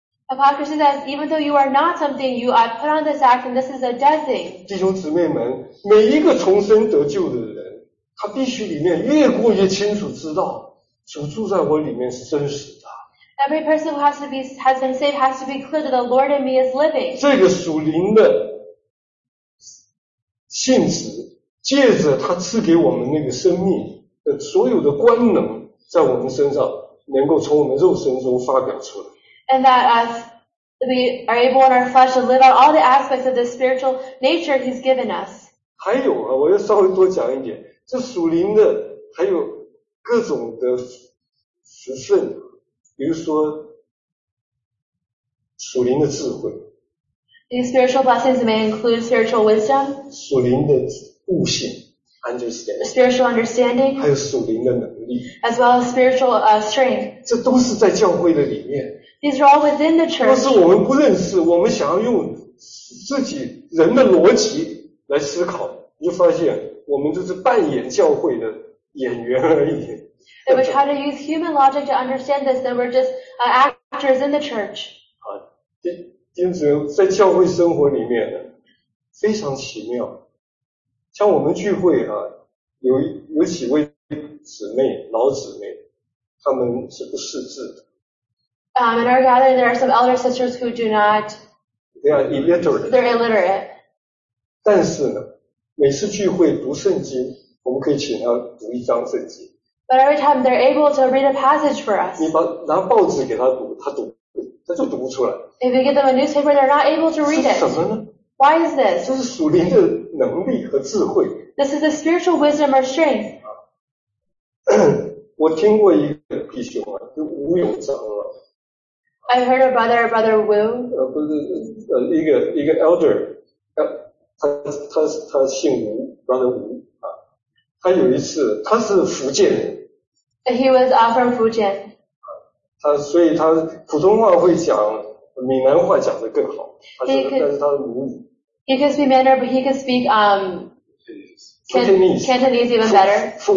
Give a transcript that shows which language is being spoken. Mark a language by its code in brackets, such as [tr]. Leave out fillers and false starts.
[en] Hypocrisy says, even though you are not something, you are put on this act, and this is a dead thing. [zh] 弟兄姊妹们，每一个重生得救的人，他必须里面越过越清楚知道，主住在我里面是真实的。 [en] Every person who has been saved has to be clear that the Lord in me is living. [zh] 这个属灵的性质，借着他赐给我们那个生命的所有的官能，在我们身上能够从我们肉身中发表出来。 [en] And that as we are able in our flesh to live out all the aspects of the spiritual nature he's given us. [zh] 还有啊，我要稍微多讲一点，这属灵的还有各种的福分，比如说属灵的智慧。 [en] These spiritual blessings may include spiritual wisdom. [zh] 属灵的悟性 ， [en] understanding. Spiritual understanding. [zh] 还有属灵的能力 [en] ，as well as spiritual strength. [zh] 这都是在教会的里面。 [en] These are all within the church. [zh] 但是我们不认识，我们想要用自己人的逻辑来思考，你就发现我们就是扮演教会的演员而已。 [en] If we try to use human logic to understand this, then we're just actors in the church. [zh] 好，因此在教会生活里面呢，非常奇妙。像我们聚会啊，有几位姊妹，老姊妹，他们是不识字的。 [en] In our gathering, there are some elder sisters who do not. They are illiterate. They're illiterate. [zh] 但是呢，每次聚会读圣经，我们可以请他读一张圣经。 [en] But every time they're able to read a passage for us. [zh] 你把拿报纸给他读，他就读不出来。 [en] If you give them a newspaper, they're not able to read it. [zh] 是什么呢？ [en] Why is this? [zh] 这是属灵的能力和智慧。 [en] This is a spiritual wisdom or strength. [zh] 我听过一个弟兄啊，就吴永章啊。 [en] I heard a brother Will. [zh] 一个 elder， 他姓吴 ，brother 吴啊。他有一次，他是福建人。 [en] He was from 福建。 [zh] 他所以他普通话会讲，闽南话讲得更好。但是他是母语。 [en] He could speak Mandarin, but he could speak Cantonese even better.